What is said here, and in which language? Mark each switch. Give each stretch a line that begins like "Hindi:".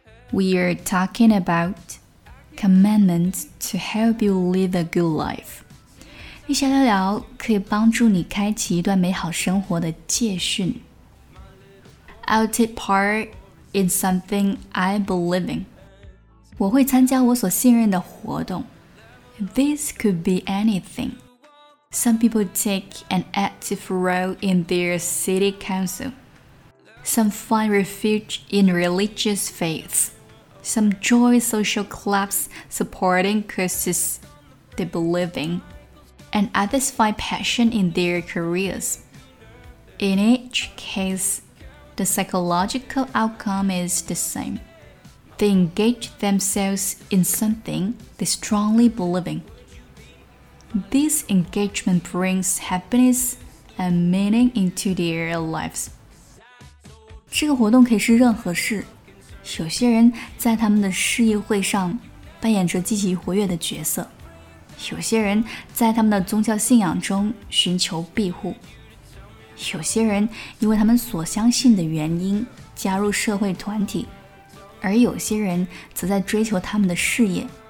English: We are talking about commandments to help you live a good life，
Chinese: 一起聊聊可以帮助你开启一段美好生活的戒训。
English: I'll take partIn something I believe in.
Chinese: 我会参加我所信任的活动。
English: This could be anything. Some people take an active role in their city council. Some find refuge in religious faiths. Some join social clubs supporting causes they believe in. And others find passion in their careers. In each case,The psychological outcome is the same. They engage themselves in something they strongly believe in. This engagement brings happiness and meaning into their lives.
Chinese: 这个活动可以是任何事。有些人在他们的事业会上扮演着积极活跃的角色。有些人在他们的宗教信仰中寻求庇护。有些人因为他们所相信的原因加入社会团体，而有些人则在追求他们的事业。